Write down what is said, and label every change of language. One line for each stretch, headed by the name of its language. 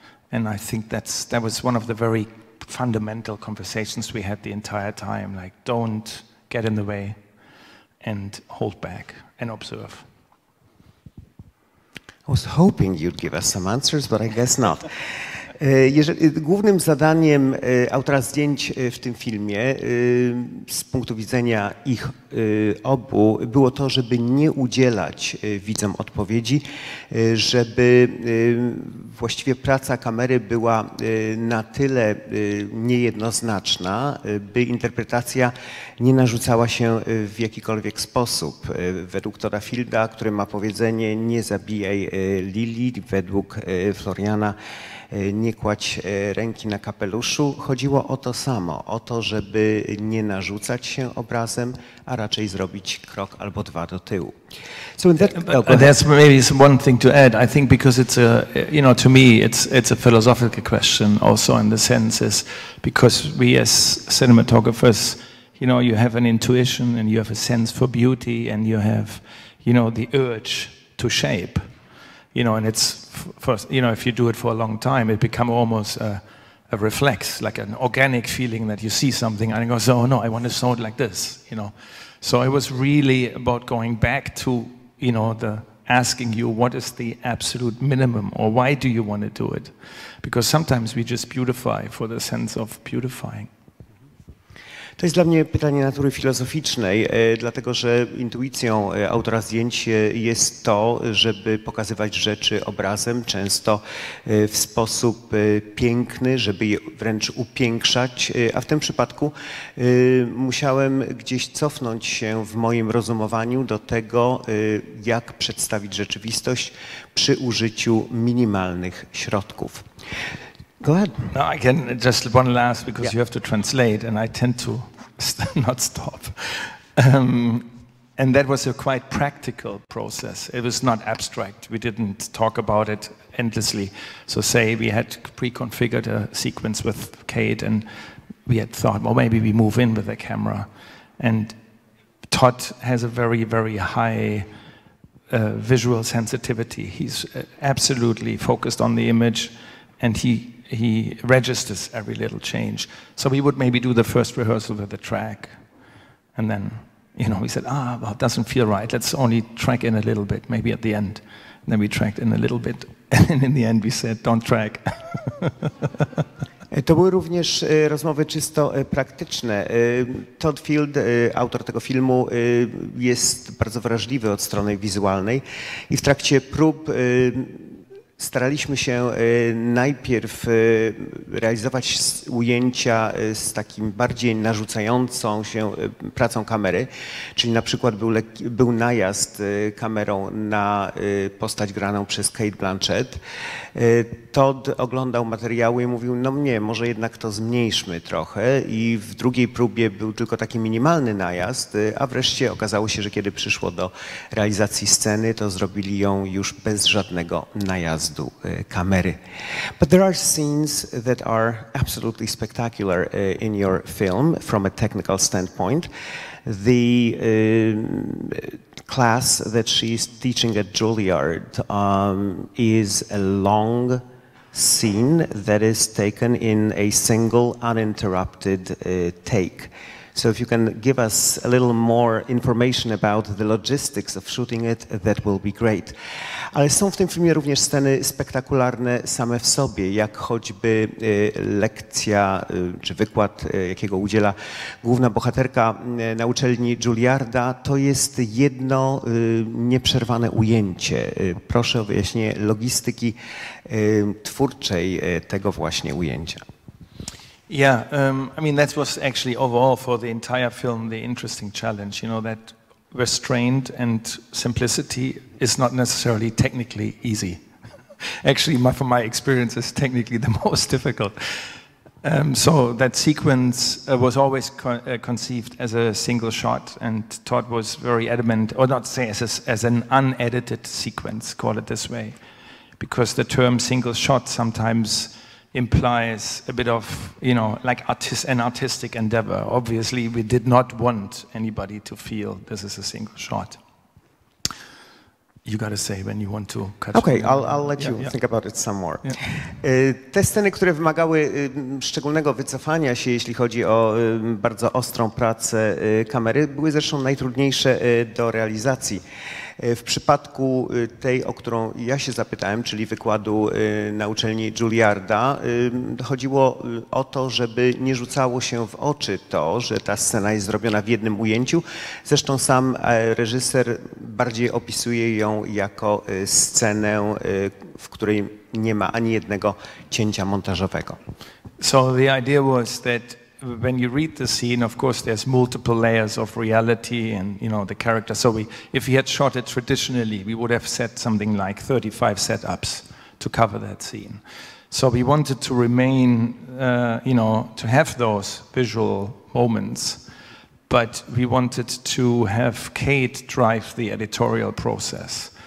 English: And I think that was one of the very fundamental conversations we had the entire time, like don't get in the way and hold back and observe. I was hoping you'd give us some answers, but I guess not.
Polish: Głównym zadaniem autora zdjęć w tym filmie, z punktu widzenia ich obu, było to, żeby nie udzielać widzom odpowiedzi, żeby właściwie praca kamery była na tyle niejednoznaczna, by interpretacja nie narzucała się w jakikolwiek sposób. Według Todda Fielda, który ma powiedzenie nie zabijaj lilii, według Floriana nie kładź ręki na kapeluszu. Chodziło o to samo, o to, żeby nie narzucać się obrazem, a raczej zrobić krok albo dwa do tyłu.
English: So that, that's maybe one thing to add. I think because it's a, you know, to me it's a philosophical question also in the sense is because we as cinematographers, you know, you have an intuition and you have a sense for beauty and you have, you know, the urge to shape. You know, and it's first, you know, if you do it for a long time, it becomes almost a reflex, like an organic feeling that you see something and it goes, oh no, I want to sew it like this, you know. So it was really about going back to, you know, the asking you what is the absolute minimum or why do you want to do it? Because sometimes we just beautify for the sense of beautifying.
Polish: To jest dla mnie pytanie natury filozoficznej, dlatego że intuicją autora zdjęć jest to, żeby pokazywać rzeczy obrazem, często w sposób piękny, żeby je wręcz upiększać, a w tym przypadku musiałem gdzieś cofnąć się w moim rozumowaniu do tego, jak przedstawić rzeczywistość przy użyciu minimalnych środków.
English: Go ahead. No, I can just one last because yeah. You have to translate and I tend to not stop. And that was a quite practical process. It was not abstract. We didn't talk about it endlessly. So say we had pre-configured a sequence with Kate and we had thought, well, maybe we move in with the camera. And Todd has a very, very high visual sensitivity. He's absolutely focused on the image and he registers every little change. So we would maybe do the first rehearsal with the track. And then, you know, we said, well, it doesn't feel right. Let's only track in a little bit, maybe at the end. And then we tracked in a little bit. And in the end we said, don't track.
Polish: To były również rozmowy czysto praktyczne. Todd Field, autor tego filmu, jest bardzo wrażliwy od strony wizualnej. I w trakcie prób staraliśmy się najpierw realizować ujęcia z takim bardziej narzucającą się pracą kamery, czyli na przykład był najazd kamerą na postać graną przez Kate Blanchett. Todd oglądał materiały i mówił, no nie, może jednak to zmniejszmy trochę i w drugiej próbie był tylko taki minimalny najazd, a wreszcie okazało się, że kiedy przyszło do realizacji sceny, to zrobili ją już bez żadnego najazdu kamery.
English: But there are scenes that are absolutely spectacular in your film from a technical standpoint. The class that she's teaching at Juilliard is a long scene that is taken in a single uninterrupted take. So if you can give us a little more information about the logistics of shooting it, that will be great.
Polish: Ale są w tym filmie również sceny spektakularne same w sobie, jak choćby lekcja czy wykład, jakiego udziela główna bohaterka na uczelni Juilliarda. To jest jedno nieprzerwane ujęcie. Proszę o wyjaśnienie logistyki twórczej tego właśnie ujęcia.
English: Yeah, I mean, that was actually overall for the entire film the interesting challenge, you know, that restraint and simplicity is not necessarily technically easy. Actually, from my experience, it's technically the most difficult. So that sequence was always conceived as a single shot, and Todd was very adamant, or not say as an unedited sequence, call it this way, because the term single shot sometimes implies a bit of, you know, like an artistic endeavor. Obviously, we did not want anybody to feel this is a single shot. You got to say when you want to cut. Okay, I'll let you think about it some more. Yeah.
Polish: Te sceny, które wymagały szczególnego wycofania się, jeśli chodzi o bardzo ostrą pracę kamery, były zresztą najtrudniejsze do realizacji. W przypadku tej, o którą ja się zapytałem, czyli wykładu na uczelni Juilliarda, chodziło o to, żeby nie rzucało się w oczy to, że ta scena jest zrobiona w jednym ujęciu. Zresztą sam reżyser bardziej opisuje ją jako scenę, w której nie ma ani jednego cięcia montażowego.
English: So the idea was that when you read the scene, of course, there's multiple layers of reality and, you know, the character. So we, if we had shot it traditionally, we would have set something like 35 setups to cover that scene. So we wanted to remain, you know, to have those visual moments, but we wanted to have Kate drive the editorial process.